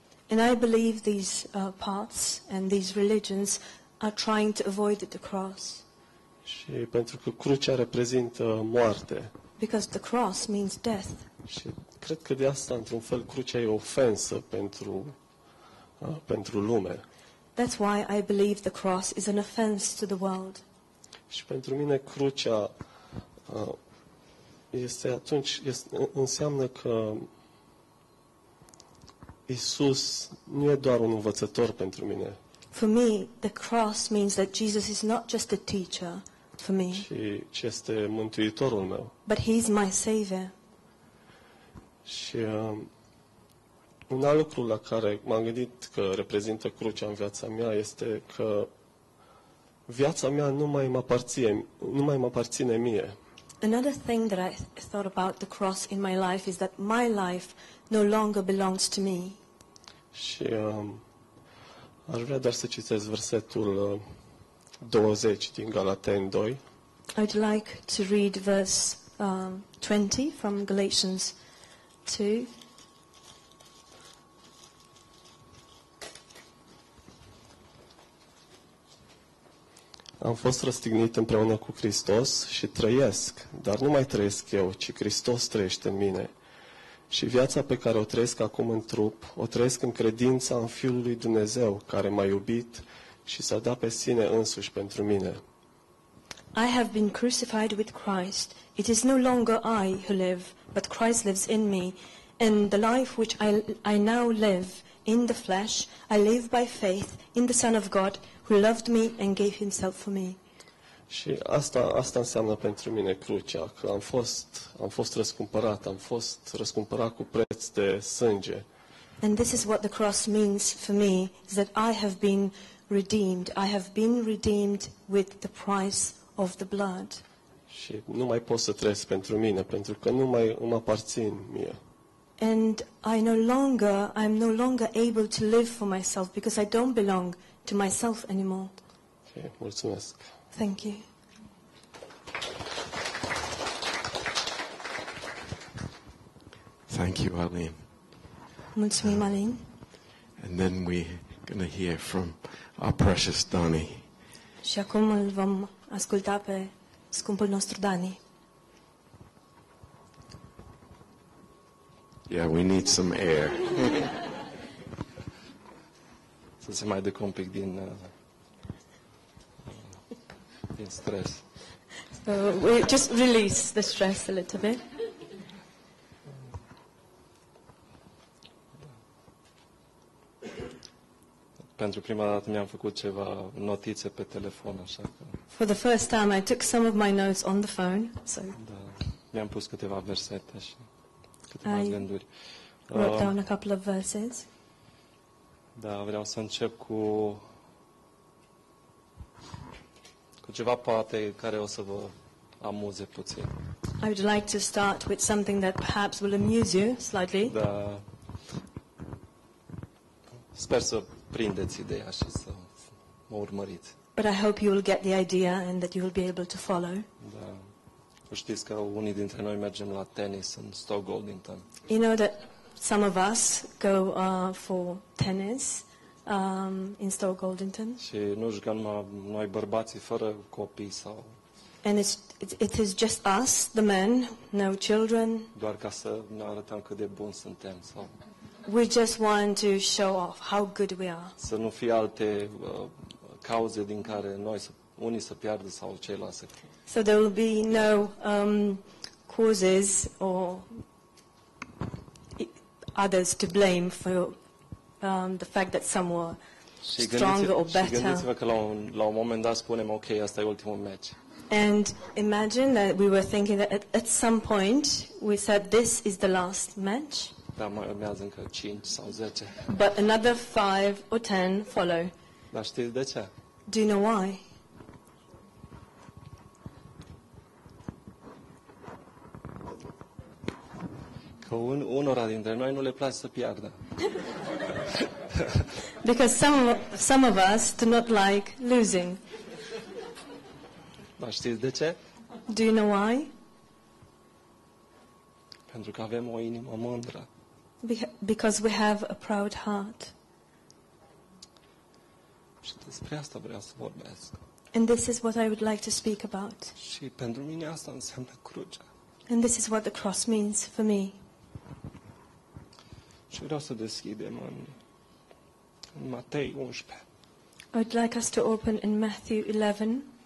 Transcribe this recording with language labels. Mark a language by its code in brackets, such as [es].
[en] And I believe these paths and these religions are trying to avoid the cross. [ro] Și pentru că crucea reprezintă moarte. [en] Because the cross means death. [ro] Și cred că de asta într-un fel crucea e o ofensă pentru lume. [en] That's why I believe the cross is an offense to the world. [ro] Și pentru mine crucea este atunci înseamnă că Iisus nu e doar un învățător pentru mine. [en] For me, the cross means that Jesus is not just a teacher for me. [ro] Ci este mântuitorul meu. [en] But he is my savior. [ro] Și un alt lucru la care m-am gândit că reprezintă crucea în viața mea este că viața mea nu mai mă aparține mie. [en] Another thing that I thought about the cross in my life is that my life no longer belongs to me. [ro] Și aș vrea doar să citesc versetul 20 din Galateni 2. [en] I'd like to read verse 20 from Galatians 2. [ro] Am fost răstignit împreună cu Hristos și trăiesc, dar nu mai trăiesc eu, ci Hristos trăiește în mine. Și viața pe care o trăiesc acum în trup, o trăiesc în credința în Fiul lui Dumnezeu, care m-a iubit și s-a dat pe sine însuși pentru mine. [en] I have been crucified with Christ. It is no longer I who live, but Christ lives in me. And the life which I now live in the flesh, I live by faith in the Son of God, who loved me and gave himself for me. [ro] Și asta înseamnă pentru mine crucea, că am fost răscumpărat, am fost răscumpărat cu preț de sânge. [en] And this is what the cross means for me, is that I have been redeemed. I have been redeemed with the price of the blood. [ro] Și nu mai pot să trăiesc pentru mine, pentru că nu mai îmi aparțin mie. [en] And I'm no longer able to live for myself because I don't belong to myself anymore. [ro] Okay, mulțumesc. [en] Thank you. Thank you, Aline. [ro] Mulțumim, Aline. [en] And then we're going to hear from our precious Dani. [ro] Și acum îl vom asculta pe scumpul nostru Dani. [en] Yeah, we need some air. [ro] Să se mai ducă un pic din stress. [en] So we just release the stress a little bit. [ro] Pentru prima dată mi-am făcut ceva notițe pe telefon, așa că. [en] For the first time I took some of my notes on the phone, so. [ro] Da. Mi-am pus câteva versete și câteva gânduri. [en] Wrote down a couple of verses. [ro] Da, vreau să încep cu ceva poate care o să vă amuze puțin. [en] I would like to start with something that perhaps will amuse you slightly. [ro] Da. Sper să prindeți ideea și să mă urmăriți. [en] But I hope you will get the idea and that you will be able to follow. [ro] Da. Știți că unii dintre noi mergem la tenis în Stockholm. [en] You know that some of us go for tennis in Stockholm. [ro] Și nu jucăm noi bărbații fără copii sau. [en] And it is just us, the men, no children. [ro] Doar ca să ne arătăm cât de buni suntem sau. [en] We just want to show off how good we are. [ro] Să nu fie alte cauze din care noi să unii să piardă sau ceilalți să. [en] So there will be no causes or others to blame for the fact that some were stronger or better. [ro] Și gândiți-vă că la un moment dat spunem, ok, asta e ultimul meci. [en] And imagine that we were thinking that at some point we said this is the last match. [ro] Dar mai urmează încă 5 sau 10. [en] But another 5 or 10 follow. [ro] Dar știți de ce? [en] Do you know why? [ro] Că unora dintre noi nu le place să piardă. [en] Because some of us do not like losing. [ro] Dar știți de ce? [en] Do you know why? [ro] Pentru că avem o inimă mândră. [en] Because we have a proud heart. [ro] Și despre asta vreau să vorbesc. [en] And this is what I would like to speak about. [ro] Și pentru mine asta înseamnă crucea. [en] And this is what the cross means for me. [ro] Și vreau să deschidem în Matei 11. [en] I would like us to open in Matthew 11.